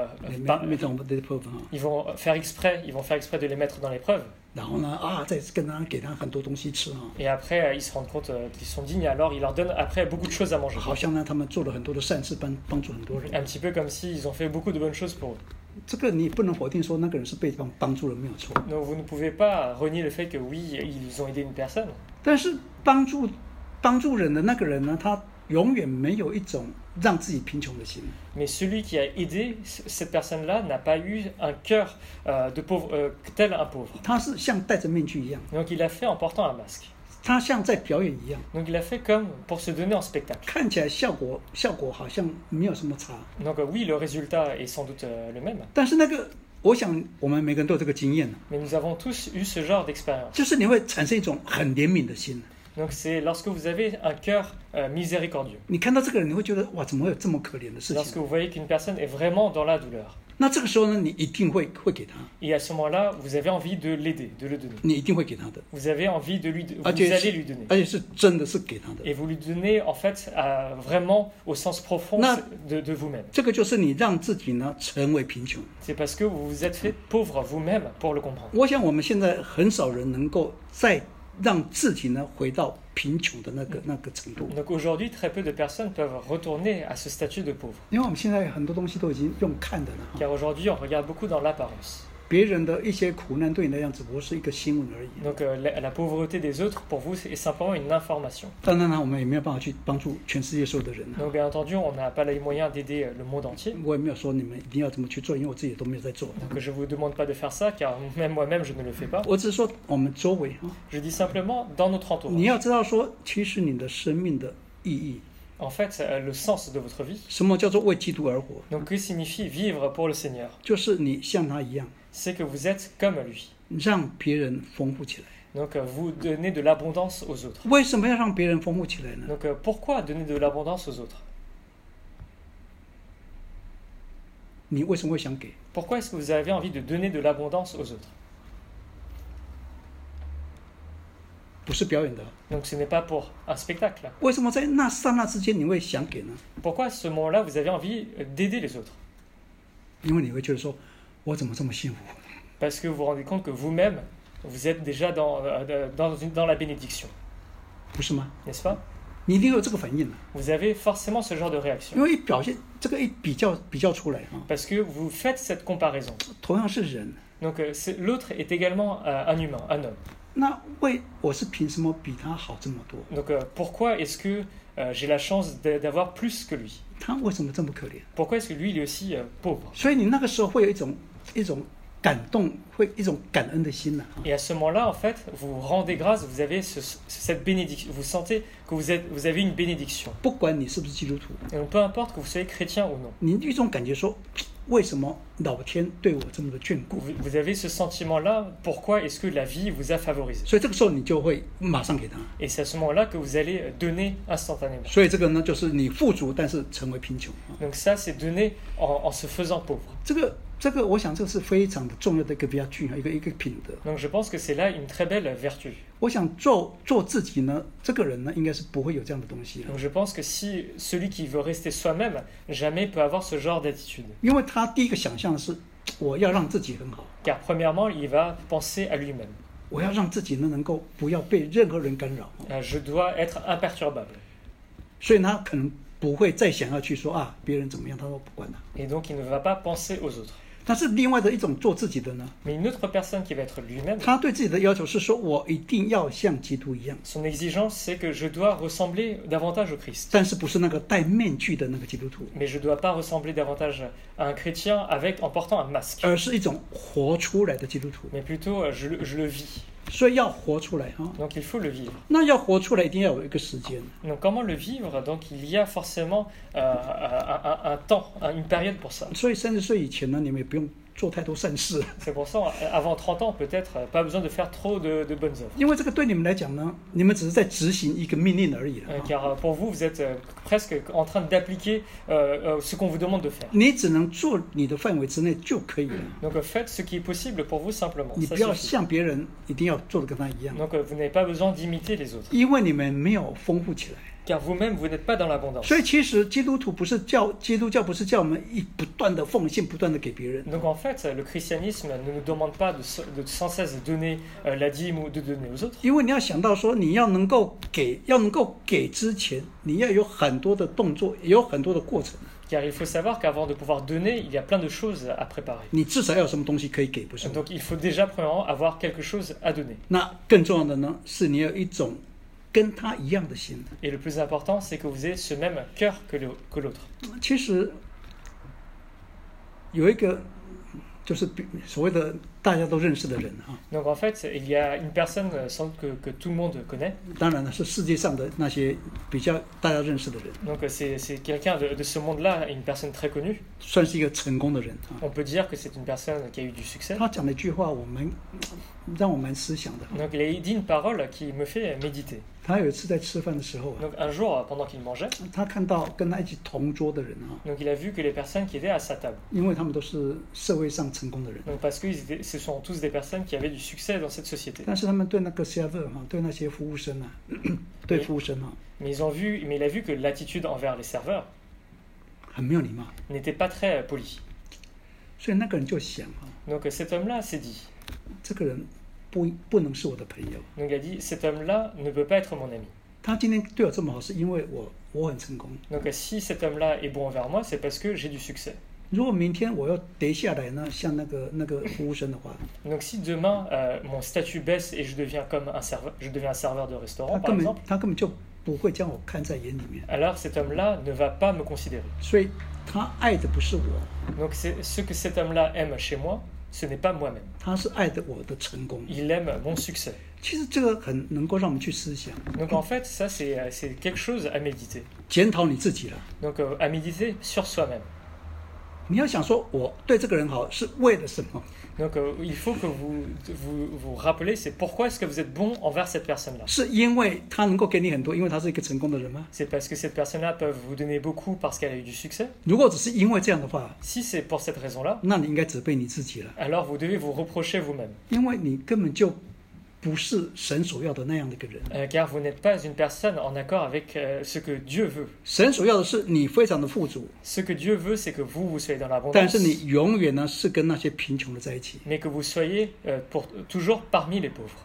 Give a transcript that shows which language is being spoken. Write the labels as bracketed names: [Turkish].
[French] Ils vont faire exprès, ils vont faire exprès de les mettre dans l'épreuve. [Chinese] 然后呢，啊，再跟他给他很多东西吃啊。 [French] Et après, ils se rendent compte qu'ils sont dignes, alors ils leur donnent après beaucoup de choses à manger. [Chinese] 好像呢，他们做了很多的善事，帮助很多人。 [French] Un petit peu comme si ils ont fait beaucoup de bonnes choses pour eux. [Chinese] 这个你不能否定说那个人是被帮助了，没有错。 [French] Non, vous ne pouvez pas renier le fait que oui, ils ont aidé une personne. [Chinese] 但是帮助人的那个人呢，他永远没有一种让自己贫穷的心。 [French] Mais celui qui a aidé cette personne-là n'a pas eu un cœur de pauvre, tel un pauvre. [Chinese] 他是像戴着面具一样。 [French] Donc il a fait en portant un masque. [Chinese] 他像在表演一样。 [French] Donc il a fait comme pour se donner en spectacle. [Chinese] 看起来效果好像没有什么差。 [French] Donc oui, le résultat est sans doute le même. [Chinese] 但是那个，我想我们每个人都有这个经验。 [French] Mais nous avons tous eu ce genre d'expérience. [Chinese] 就是你会产生一种很怜悯的心。 [French] Donc c'est lorsque vous avez un cœur miséricordieux. [Chinese] 你看到这个人，你会觉得哇，怎么会有这么可怜的事情？ [French] Lorsque vous voyez qu'une personne est vraiment dans la douleur. [Chinese] 那这个时候呢，你一定会给他。 [French] Et à ce moment-là, vous avez envie de l'aider, de le donner. [Chinese] 你一定会给他的。 [French] Vous avez envie de vous allez lui donner. [Chinese] 而且是真的是给他的。 [French] Et vous lui donnez en fait vraiment au sens profond de vous-même. [Chinese] 这个就是你让自己呢成为贫穷。 [French] C'est parce que vous vous êtes fait pauvre vous-même pour le comprendre. [Chinese] 我想我们现在很少人能够再让自己呢回到贫穷的那个程度。 [French] Donc aujourd'hui, très peu de personnes peuvent retourner à ce statut de pauvre. [Chinese] 因为我们现在很多东西都已经用看的了。 [French] Car aujourd'hui, on regarde beaucoup dans l'apparence. [Chinese] 别人的一些苦难对你那样子，不是一个新闻而已。 [French] Donc la pauvreté des autres pour vous est simplement une information. [Chinese] 当然了，我们也没有办法去帮助全世界所有的人。 [French] Donc bien entendu, on n'a pas les moyens d'aider le monde entier. [Chinese] 我也没有说你们一定要怎么去做，因为我自己都没有在做。 [French] Donc je vous demande pas de faire ça, car même moi-même je ne le fais pas. [Chinese] 我只是说我们周围。 [French] Je dis simplement dans notre entourage. [Chinese] 你要知道说，其实你的生命的意义。 [French] En fait, le sens de votre vie. [Chinese] 什么叫做为基督而活？ [French] Donc, que signifie vivre pour le Seigneur? [Chinese] 就是你像他一样。 [French] C'est que vous êtes comme lui. [Chinese] 让别人丰富起来。 [French] Donc, vous donnez de l'abondance aux autres. [Chinese] 为什么要让别人丰富起来呢？ [French] Donc, pourquoi donner de l'abondance aux autres? [Chinese] 你为什么会想给？ [French] Pourquoi est-ce que vous avez envie de donner de l'abondance aux autres? [Chinese] 不是表演的。 [French] Donc, ce n'est pas pour un spectacle. [Chinese] 为什么在那刹那之间你会想给呢？ [French] Pourquoi à ce moment-là, vous avez envie d'aider les autres? [Chinese] 因为你会觉得说，我怎么这么幸福？ [French] Parce que vous vous rendez compte que vous-même,vous êtes déjà dans la bénédiction. [Chinese] 不是吗？ [French] N'est-ce pas? [Chinese] 你一定有这个反应。 [French] Vous avez forcément ce genre de réaction. [Chinese] 因为表现，这个一比较，比较出来。 [French] Parce que vous faites cette comparaison. [Chinese] 同样是人。 [French] Donc, c'est, l'autre est également un humain, un homme. [Chinese] 那为，我是凭什么比他好这么多？ [French] Donc, pourquoi est-ce que j'ai la chance d'avoir plus que lui? [Chinese] 他为什么这么可怜？ [French] Pourquoi est-ce que lui, il est aussi pauvre? [Chinese] 所以你那个时候会有一种感动，会一种感恩的心呐。 [French] Et à ce moment-là, en fait, vous rendez grâce, vous avez cette bénédiction, vous sentez que vous avez une bénédiction. [Chinese] 不管你是不是基督徒。 [French] Et peu importe que vous soyez chrétien ou non. [Chinese] 你一种感觉说，为什么老天对我这么的眷顾 [French] ？Vous avez ce sentiment-là, pourquoi est-ce que la vie vous a favorisé？ [Chinese] 所以这个时候你就会马上给他。 [French] Et c'est à ce moment-là que vous allez donner instantanément. [Chinese] 所以这个呢，就是你富足，但是成为贫穷。 [French] Donc ça, c'est donner en se faisant pauvre. [Chinese] 这个我想这是非常重要的一个 virtue， 一个品德。 [French] Donc je pense que c'est là une très belle vertu. [Chinese] 我想做自己呢，这个人呢应该是不会有这样的东西。 [French] Donc je pense que si celui qui veut rester soi-même jamais peut avoir ce genre d'attitude. [Chinese] 因为他第一个想象的是我要让自己很好。 [French] Car premièrement il va penser à lui-même. [Chinese] 我要让自己呢能够不要被任何人干扰。 [French] Je dois être imperturbable. [Chinese] 所以他可能不会再想要去说啊别人怎么样，他说不管了。 [French] Et donc il ne va pas penser aux autres. [Chinese] 但是另外的一种做自己的呢？ [French] Mais une autre personne qui va être lui-même, [Chinese] 他对自己的要求是说，我一定要像基督一样。 [French] Son exigence c'est que je dois ressembler davantage au Christ. [Chinese] 但是不是那个戴面具的那个基督徒。 [French] Mais je dois pas ressembler davantage à un chrétien avec en portant un masque. [Chinese] 而是一种活出来的基督徒。 [French] Mais plutôt je le vis. [Chinese] 所以要活出来啊。 [French] Donc il faut le vivre. [Chinese] 那要活出来，一定要有一个时间。 [French] Donc comment le vivre? Donc il y a forcément un temps, une période pour ça. [Chinese] 所以三十岁以前呢，你们也不用做太多善事。 [French] C'est pour ça, avant 30 ans, peut-être pas besoin de faire trop de bonnes œuvres. [Chinese] 因为这个对你们来讲呢，你们只是在执行一个命令而已了。 [French] Car pour vous, vous êtes presque en train d'appliquer ce qu'on vous demande de faire. [Chinese] 你只能做你的范围之内就可以了。 [French] Donc faites ce qui est possible pour vous simplement. [Chinese] 你不要像别人，一定要做得跟他一样。 [French] Donc vous n'avez pas besoin d'imiter les autres. [Chinese] 因为你们没有丰富起来。 [French] Car vous-même, vous n'êtes pas dans l'abondance. [Chinese] 所以其实基督徒不是叫基督教不是叫我们一不断的奉献，不断的给别人。 [French] Donc en fait, le christianisme ne nous demande pas de sans cesse donner la dîme ou de donner aux autres. [Chinese] 因为你要想到说，你要能够给，要能够给之前，你要有很多的动作，有很多的过程。 [French] Car il faut savoir qu'avant de pouvoir donner, il y a plein de choses à préparer. [Chinese] 你至少要有什么东西可以给，不是吗？ [French] Donc il faut déjà premièrement avoir quelque chose à donner. [Chinese] 那更重要的呢，是你要一种。跟他一样的心。 [French] Et le plus important, c'est que vous ayez ce même cœur que l'autre. [Chinese] 其实有一个就是所谓的大家都认识的人啊。 [French] Donc en fait, il y a une personne sans doute que tout le monde connaît. [Chinese] 当然了，是世界上的那些比较大家认识的人。 [French] Donc c'est quelqu'un de ce monde-là, une personne très connue. [Chinese] 算是一个成功的人啊。 [French] On peut dire que c'est une personne qui a eu du succès. [Chinese] 他讲的一句话，我们让我蛮思想的。 [French] Donc il a dit une parole qui me fait méditer. [Chinese] 他有一次在吃饭的时候、啊、 [French] Donc, un jour, pendant qu'il mangeait, [Chinese] 他看到跟他一起同桌的人、啊、 [French] Donc, il a vu que les personnes qui étaient à sa table. [Chinese] 因为他们都是社会上成功的人。 [French] Donc, parce que ce sont tous des personnes qui avaient du succès dans cette société. [Chinese] 但是他们对那个 serveur,、啊、对那些服务生、啊、对服务生、啊、 [French] mais il a vu que l'attitude envers les serveurs [Chinese] 很没有礼貌 [French] n'était pas très poli. [Chinese] 所以那个人就想、啊、 [French] Donc, cet homme-là s'est dit, [Chinese] 这个人不能是我的朋友。 [French] Donc il a dit, cet homme-là ne peut pas être mon ami. [Chinese] 他今天对我这么好，是因为我很成功。 [French] Donc si cet homme-là est bon envers moi, c'est parce que j'ai du succès. [Chinese] 如果明天我要跌下来呢，像那个服务生的话。 [French] Donc si demain mon statut baisse et je deviens comme un serveur, je deviens un serveur de restaurant, par exemple. [Chinese] 他根本就不会将我看在眼里面。 [French] Alors cet homme-là ne va pas me considérer. [Chinese] 所以他爱的不是我。 [French] Donc c'est ce que cet homme-là aime chez moi. ce n'est pas moi-même. [Chinese] 他是爱的我的成功。 [French] Il aime mon succès. [Chinese] 其实这个很能够让我们去思想。 [French] Donc en fait, ça c'est quelque chose à méditer. [Chinese] 检讨你自己了。 [French] Donc à méditer sur soi-même. [Chinese] 你要想说我对这个人好是为了什么？ [French] Donc il faut que vous rappelez c'est pourquoi est-ce que vous êtes bon envers cette personne-là. [Chinese] 是因为他能够给你很多，因为他是一个成功的人吗？ [French] C'est parce que cette personne-là peut vous donner beaucoup parce qu'elle a eu du succès. [Chinese] 如果只是因为这样的话， [French] si c'est pour cette raison-là, [Chinese] 那你应该责备你自己了。 [French] Alors vous devez vous reprocher vous-même. [Chinese] 因为你根本就不是神所要的那样的一个人。 [French] Car vous n'êtes pas une personne en accord avec ce que Dieu veut. [Chinese] 神所要的是你非常的富足。 [French] Ce que Dieu veut, c'est que vous soyez dans l'abondance. [Chinese] 但是你永远呢是跟那些贫穷的在一起。 [French] Mais que vous soyez pour toujours parmi les pauvres.